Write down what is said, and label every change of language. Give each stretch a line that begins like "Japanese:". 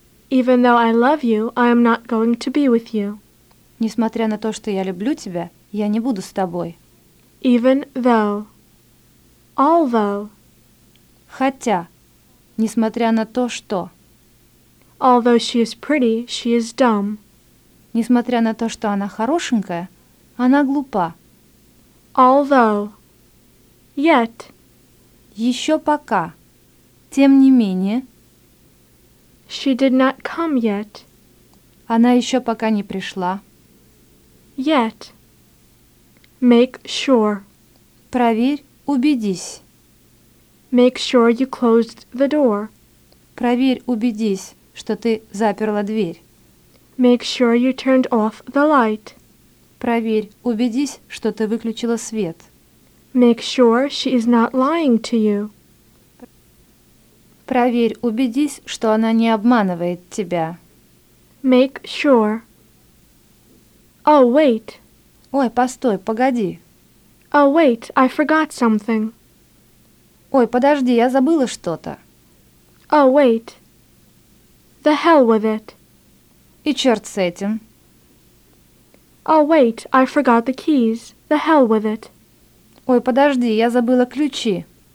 English: Even though I love you, I am not going to be with you.
Russian: Несмотря на то, что я люблю тебя, я не буду с тобой.
English: Even though. Although.
Russian: Хотя. Несмотря на то, что.
English: Although she is pretty, she is dumb.
Russian: Несмотря на то, что она хорошенькая, она глупа.
English: Although. Yet.
Russian: Еще пока. Тем не менее.
English: She did not come yet.
Russian: Она еще пока не пришла.
English: Yet. Make sure.
Russian: Проверь, убедись.
English: Make sure you closed the door.
Russian: Проверь, убедись, что ты заперла дверь.
English: Make sure you turned off the light.
Russian: Проверь, убедись, что ты выключила свет.
English: Make sure she is not lying to you.
Russian: Проверь, убедись, что она не обманывает тебя.
English: Make sure. Oh, wait.
Russian: Ой, постой, погоди.
English: Oh, wait, I forgot something.
Russian: Ой, подожди, я забыла что-то.
English: Oh, wait. The hell with it.
Russian: И черт с этим.
English: Oh, wait, I forgot the keys. The hell with it.
Russian: Ой, подожди, я забыла ключи.